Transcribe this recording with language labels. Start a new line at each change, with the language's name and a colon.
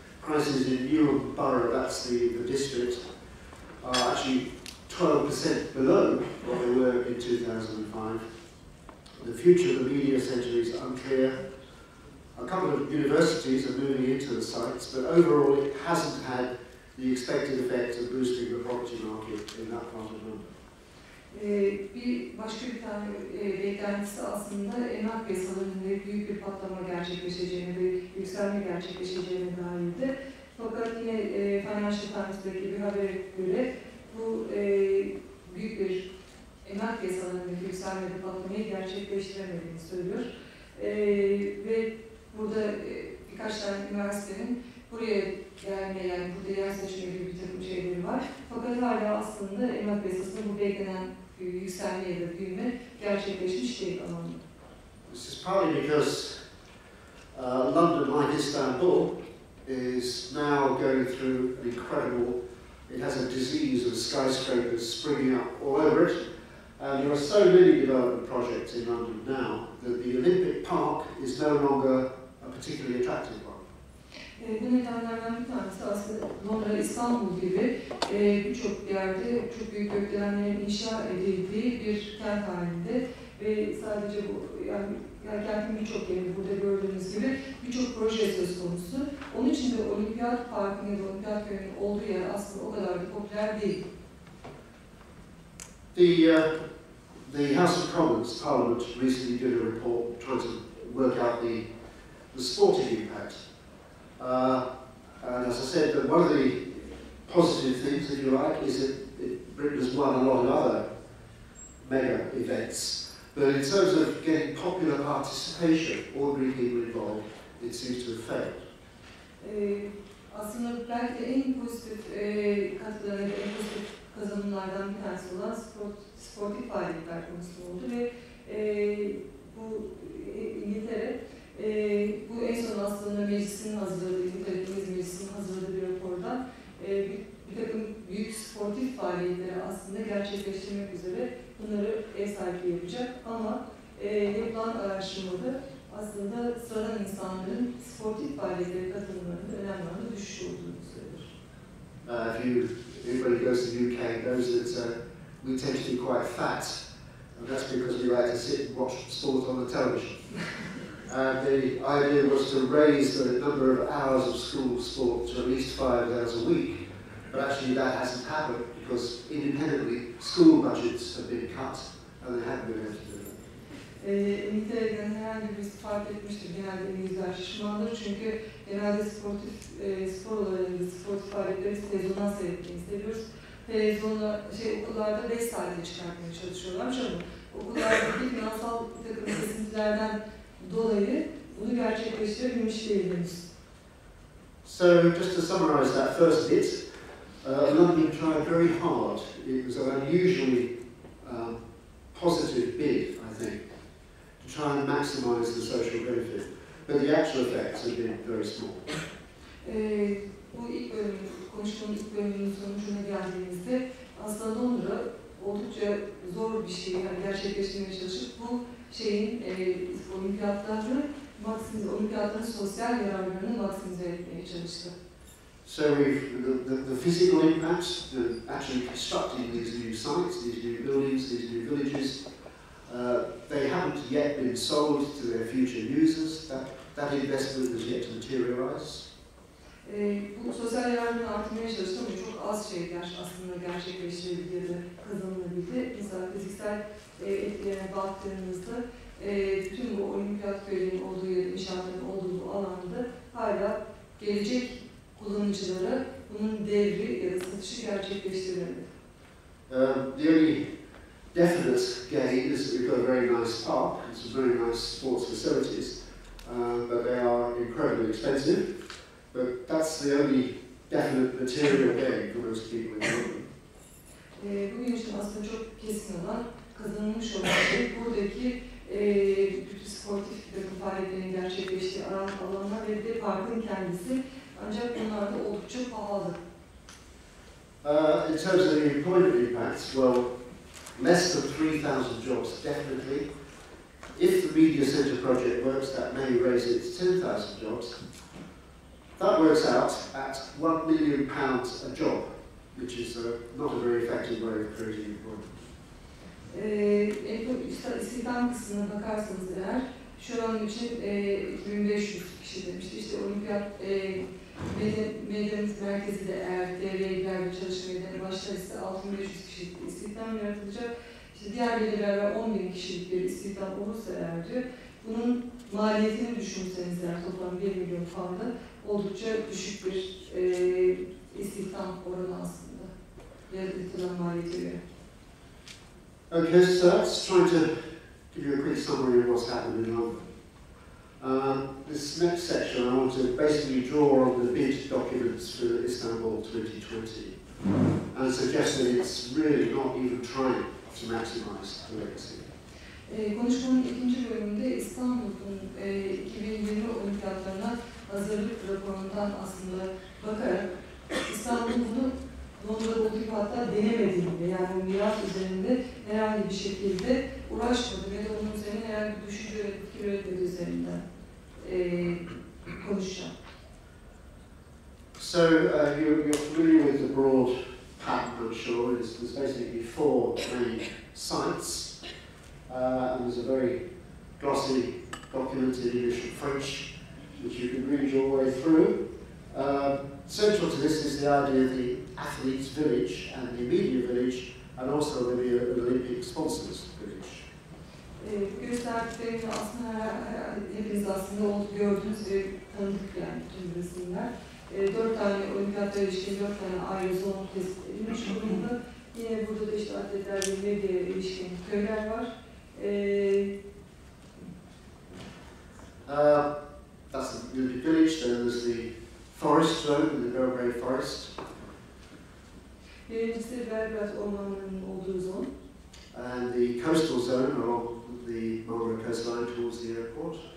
English: Prices in Newham Borough, that's the district, are actually 12% below what they were in 2005. The future of the media centre is unclear. A couple of universities are moving into the sites, but overall it hasn't had the expected effect of boosting the property market in that part of London.
Turkish: Bir başka bir tane beklentisi aslında emlak piyasalarında büyük bir patlama gerçekleşeceğini, bir yükselme gerçekleşeceğine dairdi. Fakat yine Financial Times'daki bir habere göre bu büyük bir emlak piyasalarında yükselme ve patlamayı gerçekleştiremediğini söylüyor. Ve burada birkaç tane üniversitenin buraya gelme, yani burada yer seçme gibi bir takım şeyleri var. Fakat hala aslında emlak piyasasında bu beklenen yükselme ya da büyüme gerçekleşmiş değil anlamında.
English: This is partly because London, like Istanbul, is now going through an incredible, it has a disease of skyscrapers springing up all over it. And there are so many development projects in London now that the Olympic Park is no longer particularly attractive one.
Turkish: Bu nedenlerden bir tanesi aslında Londra, İstanbul gibi birçok yerde çok büyük gökdelenlerin inşa edildiği bir kent halinde ve sadece bu, yani kentin birçok yerinde burada gördüğünüz gibi birçok proje söz konusu. Onun için de Olimpiyat Parkı'nın ya da Olimpiyat Köyü'nün olduğu yer aslında o kadar da popüler değil.
English: The House of Commons, Parliament, recently did a report trying to work out the sporting impact. And as I said, one of the positive things, if you like, is that Britain has won a lot of other mega events. But in terms of getting popular participation, ordinary people involved, it seems to have failed.
Turkish: Aslında belki de en pozitif katkılarında, en pozitif kazanımlardan bir tanesi olan sportif faaliyetler konusu oldu ve bu İngiltere, bu en son aslında meclisin hazırladığı, İngiltere Meclisi'nin hazırladığı bir raporda bir takım büyük sportif faaliyetleri aslında gerçekleştirmek üzere bunları ev sahipliği yapacak. Ama yapılan araştırmada aslında sıradan insanların sportif faaliyetlere katılımlarında önemli oranda düşüş olduğunu söylüyor.
English: Anybody goes to the UK knows that we tend to be quite fat, and that's because we like to sit and watch sport on the television. And the idea was to raise the number of hours of school sport to at least 5 hours a week, but actually that hasn't happened because independently school budgets have been cut and they haven't been able to do it.
Turkish: Nitelikten herhangi bir fark etmiştir genelde İngilizler şişmandır çünkü genelde spor olaylarında sportif faaliyetleri sezondan seyretmeyi seviyoruz. Televizyonda okullarda 5 saate çıkartmaya çalışıyorlarmış ama okullardaki finansal bir takım kesintilerden dolayı bunu gerçekleştirebilmiş değiliz.
English: So, just to summarize that first bit, London tried very hard. It was an unusually positive bid, I think, to try and maximize the social benefit. But the actual effects have been very small.
Turkish: Bu ilk bölüm, konuştuğumuz ilk bölümünün sonucuna geldiğimizde aslında Londra oldukça zor bir şey yani gerçekleştirmeye çalışıp bu şeyin olimpiyatların sosyal yararlarını maksimize etmeye çalıştı.
English: So the physical impacts, the actually constructing these new sites, these new buildings, these new villages, they haven't yet been sold to their future users. That investment has yet to materialize.
Turkish: Bu sosyal yardımın artmaya çalıştı ama çok az şeyler aslında gerçekleştirebildi ya da kazanılabildi. Mesela fiziksel etkilerine baktığımızda tüm bu olimpiyat köylerinin olduğu ya da inşaatların olduğu bu alanda hala gelecek kullanıcılara bunun devri ya da satışı gerçekleştiremedi.
English: The only definite gain is that we've got a very nice park and some very nice sports facilities, but they are incredibly expensive. But that's the only definite material gain for most people in London.
Turkish: Bugün için aslında çok kesin olan kazanılmış olan buradaki bütün sportif takım faaliyetlerinin gerçekleştiği alanlar ve de parkın kendisi ancak bunlar da oldukça pahalı.
English: In terms of the employment impacts, well, less than 3,000 jobs definitely. If the media centre project works, that may raise it to 10,000 jobs. That works out at £1 million a job, which is not a very effective way of creating employment.
Turkish: İstihdam kısmına bakarsanız eğer, şu an için 1500 kişi demişti. İşte olimpiyat medeniyet merkezi de eğer devreye girer ve çalışmaya başlarsa 6500 kişi istihdam yaratılacak. İşte diğer belirlerle 10.000 kişilik bir istihdam olursa eğer diyor, bunun maliyetini düşünseniz eğer toplam 1 milyon pound'a, oldukça düşük bir istihdam oranı aslında. Yaratılan maliyeti göre.
English: Okay, so that's trying to give you a quick summary of what's happened in London. This next section, I want to basically draw on the bid documents for Istanbul 2020 and suggest that it's really not even trying to maximize the legacy.
Turkish: Konuşmanın ikinci bölümünde İstanbul'un 2020 olimpiyatlarına hazırlık raporundan aslında bakarak İstanbul'un Londra'da olduğu gibi hatta denemediğinde yani miras üzerinde herhangi bir şekilde uğraşmadı ve de onun üzerine herhangi bir düşünce ve fikir üretmedi üzerinden konuşacağım.
English: So you're familiar with the broad pattern, I'm sure. There's basically four main sites. And there's a very glossy documented English and French which you can read your way through. Central to this is the idea of the athletes' village and the media village, and also the Olympic sponsors' village.
Turkish: Gösterdiklerimde aslında hepiniz aslında gördüğünüz ve tanıdık yani tüm resimler. Dört tane olimpiyatlar ilişkin dört tane ayrı zon kesilmiş durumda. Yine burada da işte atletler ve medya ilişkin köyler var.
English: That's the Olympic Village, then there's the forest zone, the Belgrade Forest. And the coastal zone along the Marmara coastline towards the airport.